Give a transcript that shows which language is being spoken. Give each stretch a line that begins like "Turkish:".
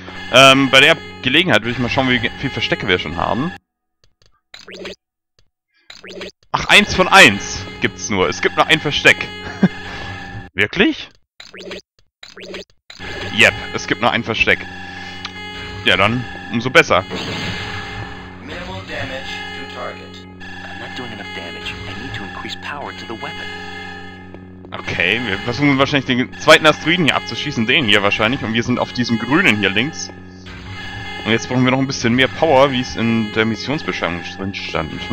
German: Bei der Gelegenheit würde ich mal schauen, wie viele Verstecke wir schon haben. Ach, eins von eins gibt's nur. Es gibt nur ein Versteck. Wirklich? Yep, es gibt nur ein Versteck. Ja, dann umso besser.
English: Minimal damage to target. I'm not doing enough damage. I need to increase power to the weapon.
German: Okay, wir versuchen wahrscheinlich den zweiten Asteroiden hier abzuschießen. Den hier wahrscheinlich. Und wir sind auf diesem grünen hier links. Und jetzt brauchen wir noch ein bisschen mehr Power, wie es in der Missionsbeschreibung drin stand.